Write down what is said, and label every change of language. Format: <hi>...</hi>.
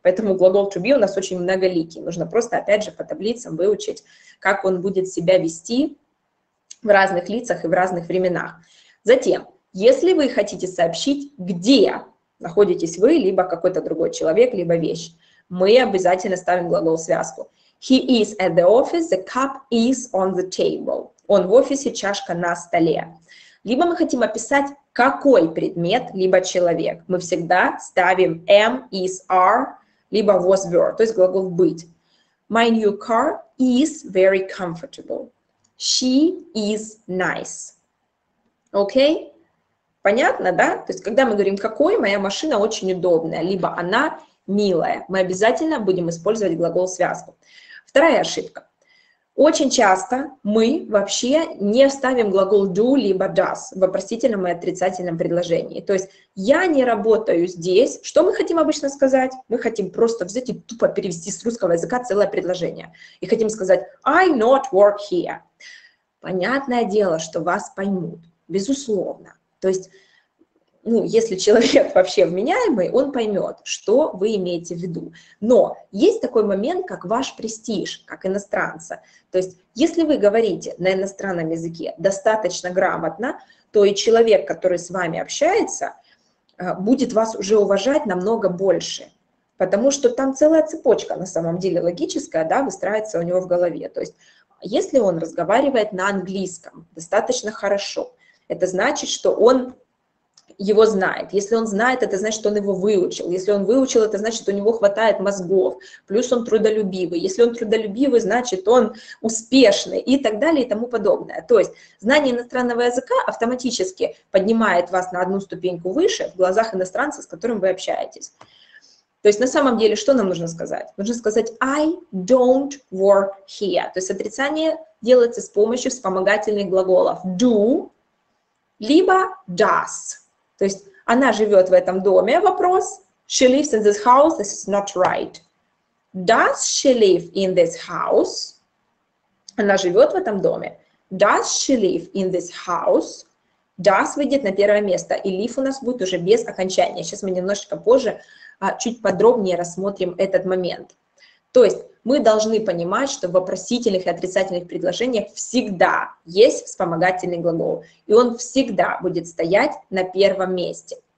<ru>Поэтому глагол to be у нас очень многоликий. Нужно просто, опять же, по таблицам выучить, как он будет себя вести в разных лицах и в разных временах. Затем, если вы хотите сообщить, где находитесь вы, либо какой-то другой человек, либо вещь, мы обязательно ставим глагол-связку.</ru> <en>He is at the office, the cup is on the table.</en> <ru>Он в офисе, чашка на столе. Либо мы хотим описать, какой предмет, либо человек, мы всегда ставим am, is, are, либо was, were, то есть глагол быть.</ru> <en>My new car is very comfortable. She is nice.</en> <ru>Окей? Понятно, да? То есть когда мы говорим, какой, моя машина очень удобная, либо она милая, мы обязательно будем использовать глагол связку. Вторая ошибка. Очень часто мы вообще не ставим глагол do либо does в вопросительном и отрицательном предложении. То есть я не работаю здесь. Что мы хотим обычно сказать? Мы хотим просто взять и тупо перевести с русского языка целое предложение. И хотим сказать</ru> <en>I not work here.</en> <ru>Понятное дело, что вас поймут. Безусловно. То есть, ну, если человек вообще вменяемый, он поймет, что вы имеете в виду. Но есть такой момент, как ваш престиж, как иностранца. То есть, если вы говорите на иностранном языке достаточно грамотно, то и человек, который с вами общается, будет вас уже уважать намного больше. Потому что там целая цепочка, на самом деле, логическая, да, выстраивается у него в голове. То есть, если он разговаривает на английском достаточно хорошо, это значит, что он его знает. Если он знает, это значит, что он его выучил. Если он выучил, это значит, что у него хватает мозгов. Плюс он трудолюбивый. Если он трудолюбивый, значит, он успешный. И так далее, и тому подобное. То есть знание иностранного языка автоматически поднимает вас на одну ступеньку выше в глазах иностранца, с которым вы общаетесь. То есть на самом деле, что нам нужно сказать? Нужно сказать</ru> <en>I don't work here.</en> <ru>То есть отрицание делается с помощью вспомогательных глаголов do либо does. То есть она живет в этом доме, вопрос.</ru> <en>She lives in this house, this is not right. Does she live in this house?</en> <ru>Она живет в этом доме.</ru> <en>Does she live in this house?</en> <ru>Does выйдет на первое место, и live у нас будет уже без окончания. Сейчас мы немножечко позже, чуть подробнее рассмотрим этот момент. То есть мы должны понимать, что в вопросительных и отрицательных предложениях всегда есть вспомогательный глагол, и он всегда будет стоять на первом месте.</ru>